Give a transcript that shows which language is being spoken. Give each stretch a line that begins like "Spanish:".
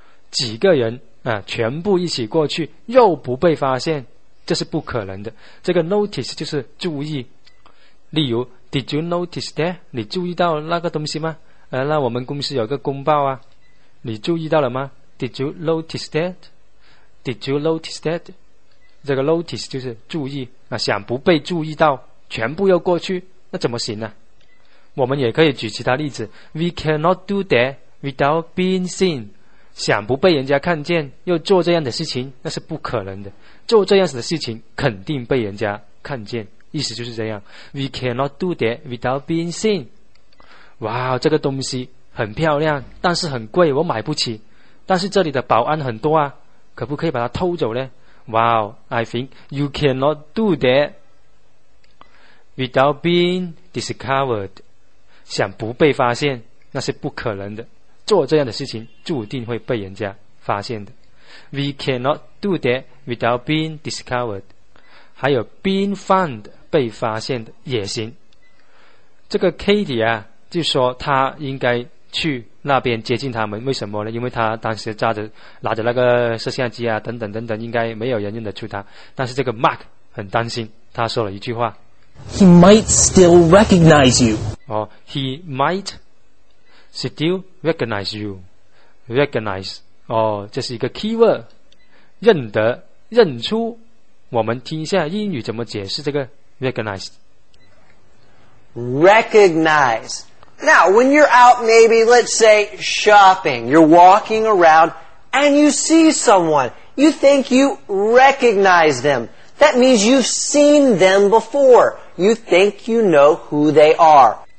Chinese: 几个人全部一起过去又不被发现，这是不可能的。这个 notice 就是注意，例如
English: Did you notice that？
Chinese: 你注意到那个东西吗？那我们公司有个公报啊，你注意到了吗？
English: Did you notice that？ Did you notice that？
Chinese: 这个 notice 就是注意想不被注意到，全部又过去，那怎么行呢？我们也可以举其他例子，
English: We cannot do that without being seen，
Chinese: 想不被人家看见又做这样的事情，那是不可能的，做这样的事情肯定被人家看见，意思就是这样， We cannot do that without being seen。哇，这个东西很漂亮但是很贵，我买不起，但是这里的保安很多啊，可不可以把它偷走呢？哇，
English: I think you cannot do thatWithout being discovered，
Chinese: 想不被发现那是不可能的，做这样的事情注定会被人家发现的。
English: We cannot do that without being discovered。
Chinese: 还有
English: being found，
Chinese: 被发现的也行。这个 Katie 啊就说他应该去那边接近他们，为什么呢？因为他当时拿着那个摄像机啊等等等等，应该没有人认得出他，但是这个 Mark 很担心，他说了一句话，
English: He might still recognize you. Oh, he might still recognize you. Recognize.
Chinese: Oh, 这是一个 keyword. 认得，认出。我们听一下英语怎么解释这个 recognize.
English: Recognize. Now, when you're out, maybe, let's say, shopping, you're walking around and you see someone. You think you recognize them. That means you've seen them before. You think you know who they are.